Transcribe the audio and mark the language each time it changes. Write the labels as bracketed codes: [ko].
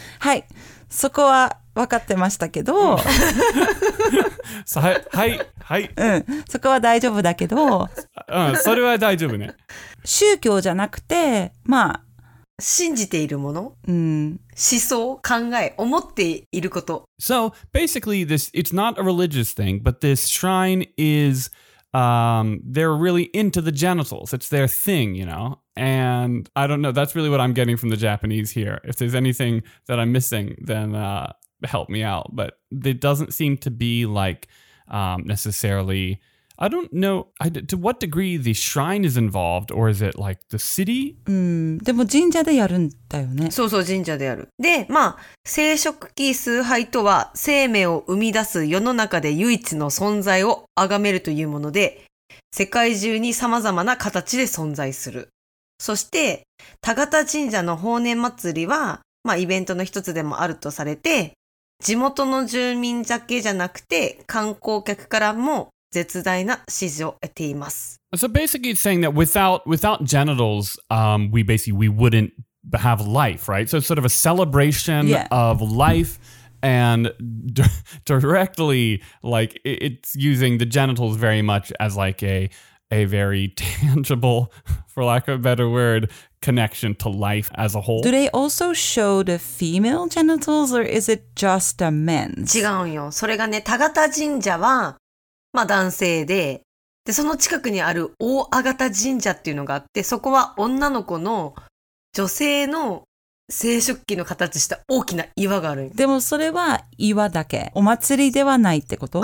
[ja] はい、そこは分かってましたけど。はい、はい、はい。うん、そこは大丈夫だけど。うん、それは大丈夫ね。宗教じゃなくて、まあ。信じているもの、うん、思想、考え、思っていること。 [en] So, basically, it's not a religious thing, but this shrine is, they're really into the genitals. It's their thing, you know? And I don't know, that's really what I'm getting from the Japanese here. If there's anything that I'm missing, then help me out. But it doesn't seem to be like necessarily... I don't know to what degree the shrine is involved, or is it like the city? [ja] でも神社でやるんだよね。そうそう、神社でやる。で、まあ、生殖器崇拝とは、生命を生み出す世の中で唯一の存在を崇めるというもので、世界中に様々な形で存在する。そして、田縣神社の豊年祭りは、まあ、イベントの一つでもあるとされて、地元の住民だけじゃなくて、観光客からも、 [en] So basically it's saying that without genitals, we wouldn't have life, right? So it's sort of a celebration of life and directly, like, it's using the genitals very much as like a very tangible, for lack of a better word, connection to life as a whole. Do they also show the female genitals or is it just a men's? [ja] 違うよ。それがね、田縣神社は、まあ男性で、で、その近くにある大あがた神社っていうのがあって、そこは女の子の女性の生殖器の形した大きな岩があるんです。でもそれは岩だけ。お祭りではないってこと？